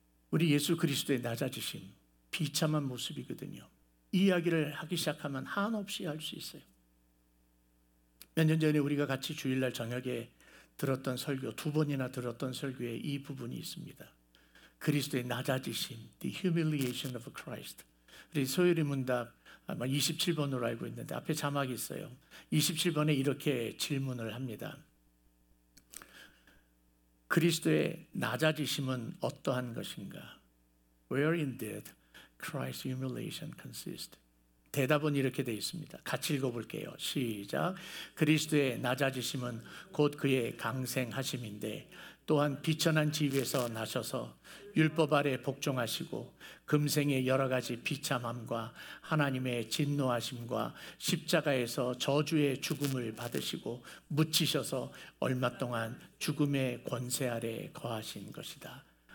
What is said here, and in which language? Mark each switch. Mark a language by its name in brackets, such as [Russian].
[Korean] 우리 예수 그리스도의 낮아지심, 비참한 모습이거든요. 이야기를 하기 시작하면 한없이 할 수 있어요. 몇 년 전에 우리가 같이 주일날 저녁에 들었던 설교, 두 번이나 들었던 설교에 이 부분이 있습니다. 그리스도의 낮아지심, [English] The Humiliation of Christ. [Korean] 우리 소요리 문답 아마 27번으로 알고 있는데 앞에 자막이 있어요. 27번에 이렇게 질문을 합니다. 그리스도의 낮아지심은 어떠한 것인가? [English] Where indeed Christ's humiliation consists? [Korean] 대답은 이렇게 되어 있습니다. 같이 읽어볼게요. 시작. 그리스도의 낮아지심은 곧 그의 강생하심인데 또한 비천한 지위에서 나셔서 율법 아래 복종하시고 금생의 여러 가지 비참함과 하나님의 진노하심과 십자가에서 저주의 죽음을 받으시고 묻히셔서 얼마 동안 죽음의 권세 아래 거하신 것이다.